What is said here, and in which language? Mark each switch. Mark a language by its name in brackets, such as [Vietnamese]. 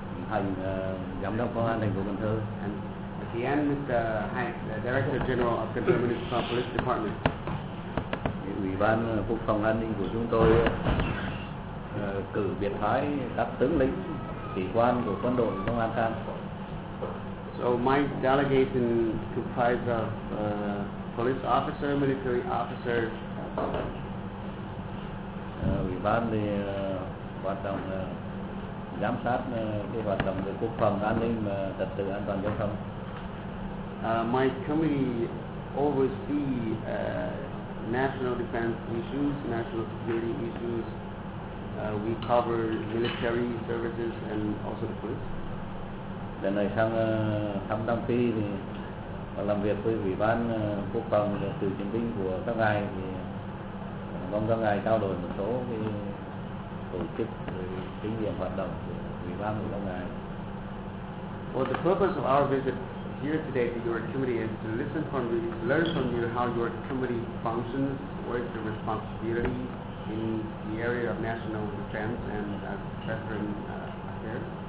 [Vietnamese] Thành giám đốc công an thành phố Cần Thơ. [English] And at the end, Mr. Hank, the director general of Cần Thơ Municipal Police Department. [Vietnamese] Ủy ban quốc phòng an ninh của chúng tôi cử biệt phái các tướng lĩnh, sĩ quan của quân đội công an Cần. [English] So my delegation comprised of police officer, military officer. [Vietnamese] Ủy ban thì hoạt động giám sát cái hoạt động về quốc phòng an ninh và trật tự an toàn giao thông. [English] My committee oversee national defense issues, national security issues. We cover military services and also the police. [Vietnamese] Lần này sang thăm Nam Phi thì làm việc với ủy ban quốc phòng và cựu chiến binh của các ngài, thì mong các ngài trao đổi một số cái tổ chức kinh nghiệm hoạt động của ủy ban của các ngài. [English] For the purpose of our visit here today to your committee is to listen from you, learn from you how your committee functions, what is your responsibility in the area of national defense and veteran affairs.